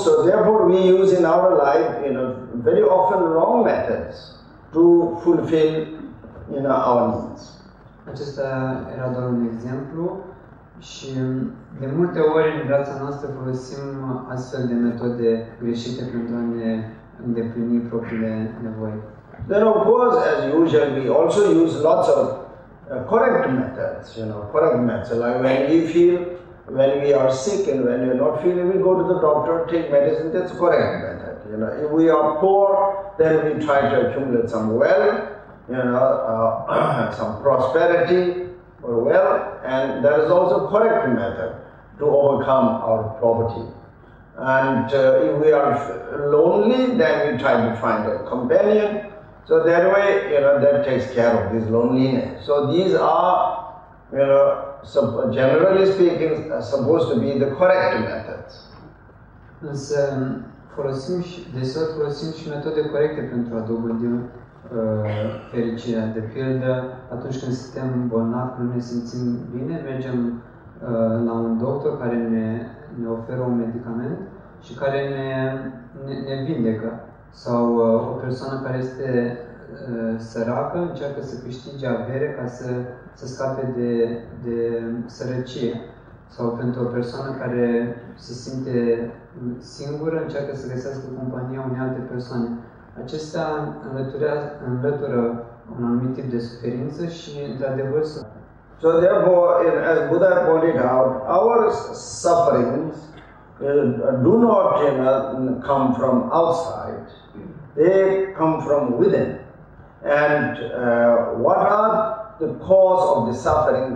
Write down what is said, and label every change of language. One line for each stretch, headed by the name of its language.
English: So therefore, we use in our life, you know, very often wrong methods to fulfill, you know, our needs.
Romanian: Acesta era doar un exemplu și de multe ori în viața noastră folosim astfel de metode greșite pentru a ne îndeplini propriile nevoi.
English: Then of course, as usual, we also use lots of correct methods, you know, correct methods. Like when we feel when we are sick and when we are not feeling, we go to the doctor, take medicine, that's correct method. You know, if we are poor, then we try to accumulate some wealth, you know, some prosperity or wealth, and that is also correct method to overcome our poverty. And if we are lonely, then we try to find a companion. So that way, you know, that takes care of this loneliness. So these are, you know, so generally speaking, supposed to be the correct methods.
Romanian: Însă folosim și deseori folosim și metode corecte pentru a dobândi fericirea. De pildă, atunci când suntem bolnavi, nu ne simțim bine, mergem la un doctor care ne oferă un medicament și care ne vindecă. Sau o persoană care este săracă încearcă să câștige avere ca să scape de sărăcie. Sau pentru o persoană care se simte singură, încearcă să găsească compania unei alte persoane. Acestea înlătură un anumit tip de suferință și, într-adevăr, să...
English: So therefore, as Buddha pointed out, our sufferings do not come from outside. They come from within. And what are the cause of the suffering?